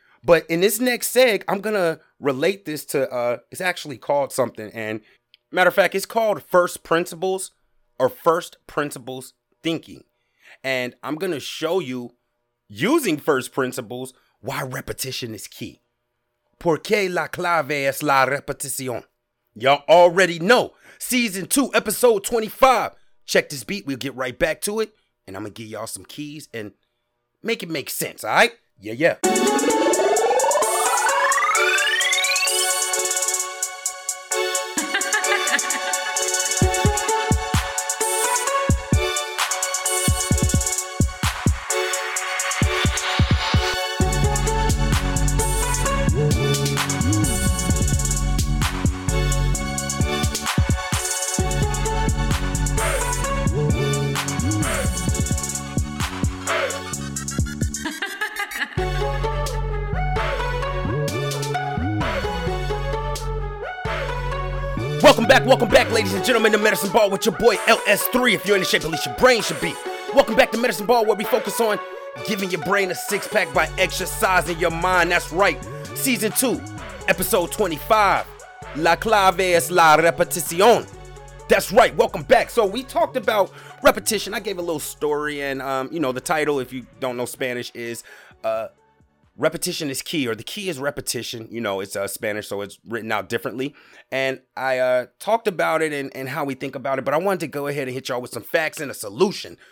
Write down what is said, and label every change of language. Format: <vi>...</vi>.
<en>But in this next seg, I'm going to relate this to, it's actually called something. And matter of fact, it's called first principles or first principles thinking. And I'm going to show you using first principles why repetition is key.</en> <es>Porque la clave es la repetición.</es> <en>Y'all already know. Season 2, episode 25. Check this beat. We'll get right back to it. And I'm going to give y'all some keys and make it make sense. All right? Yeah, yeah. Welcome back, ladies and gentlemen, to Medicine Ball with your boy LS3. If you're in the shape, at least your brain should be. Welcome back to Medicine Ball, where we focus on giving your brain a six-pack by exercising your mind. That's right. Season 2, episode 25,</en> <es>La clave es la repetición.</es> <en>That's right. Welcome back. So we talked about repetition. I gave a little story, and the title, if you don't know Spanish, is Repetition is key, or the key is repetition. You know, it's Spanish, so it's written out differently. And I talked about it and how we think about it, but I wanted to go ahead and hit y'all with some facts and a solution.</en>